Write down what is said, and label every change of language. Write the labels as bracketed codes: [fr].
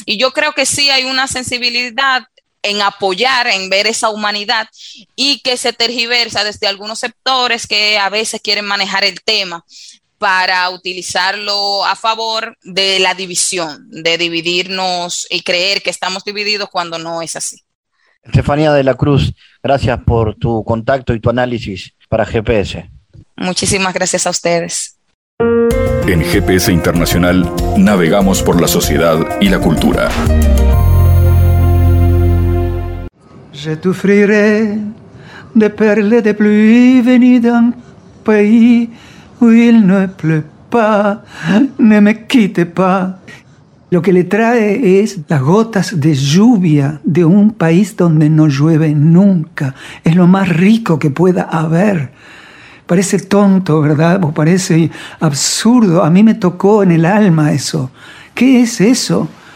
[es] Y yo creo que sí hay una sensibilidad en apoyar, en ver esa humanidad, y que se tergiversa desde algunos sectores que a veces quieren manejar el tema para utilizarlo a favor de la división, de dividirnos y creer que estamos divididos cuando no es así. Estefanía de la Cruz, gracias por tu contacto y tu análisis para GPS. Muchísimas gracias a ustedes. En GPS Internacional navegamos por la sociedad y la cultura. [fr] Je t'offrirai des perles de pluie venues d'un pays où il ne pleut pas, ne me quitte pas. [es] Lo que le trae es las gotas de lluvia de un país donde no llueve nunca. Es lo más rico que pueda haber. Parece tonto, ¿verdad? O parece absurdo. A mí me tocó en el alma eso. ¿Qué es eso?